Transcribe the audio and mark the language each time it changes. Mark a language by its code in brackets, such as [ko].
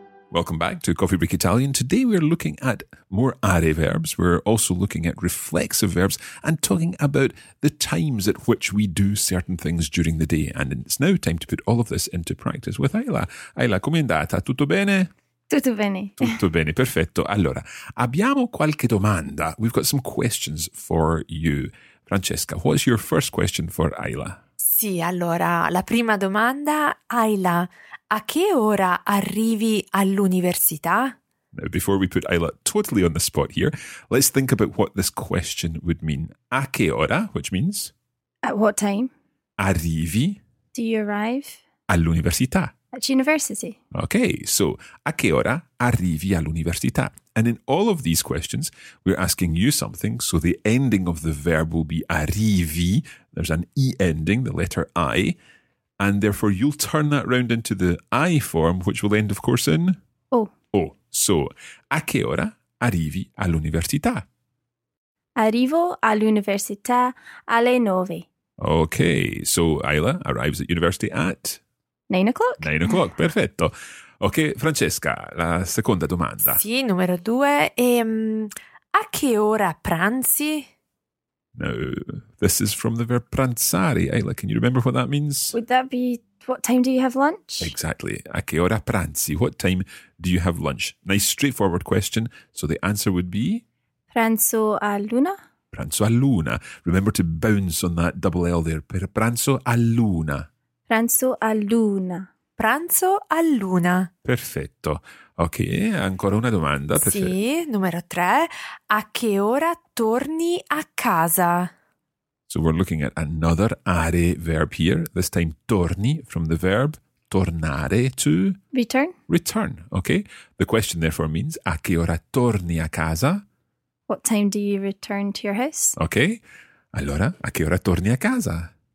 [en] Welcome back to Coffee Break Italian. Today we're looking at more are verbs. We're also looking at reflexive verbs and talking about the times at which we do certain things during the day. And it's now time to put all of this into practice with Ayla. [it] Ayla, come andata? Tutto bene? Tutto bene. Tutto bene, perfetto. Allora, abbiamo qualche domanda. [en] We've got some questions for you. Francesca, what's your first question for Ayla? [it] Sì, allora, la prima domanda, Ayla, a che ora arrivi all'università? [en] Now, before we put Ayla totally on the spot here, let's think about what this question would mean. [it] A che ora, [en] which means? At what time? [it] Arrivi. [en] Do you arrive? [it] All'università. [en] At university. Okay, so [it] a che ora arrivi all'università? [en] And in all of these questions, we're asking you something. So the ending of the verb will be arrivi. There's an E ending, the letter I. And therefore, you'll turn that round into the I form, which will end, of course, in? O. [it] So, a che ora arrivi all'università? Arrivo all'università alle 9. [en] Okay, so Ayla arrives at university at? 9 o'clock. 9 o'clock, perfetto. [it] Ok, Francesca, la seconda domanda. Sì, numero 2. A che ora pranzi? [en] No, this is from the verb pranzare. Ayla, can you remember what that means? Would that be, what time do you have lunch? [it] Exactly. A che ora pranzi? [en] What time do you have lunch? Nice, straightforward question. So the answer would be? [it] Pranzo a luna. Pranzo a luna. [en] Remember to bounce on that double L there. [it] Per pranzo a luna. Pranzo a luna. Pranzo a luna. Perfetto. Ok, ancora una domanda. Perfetto. Sì, numero 3. A che ora torni a casa? [en] So we're looking at another are verb here. This time torni from the verb tornare to? Return. Return, ok. The question therefore means [it] a che ora torni a casa? [en] What time do you return to your house? [it] Ok, allora a che ora torni a casa?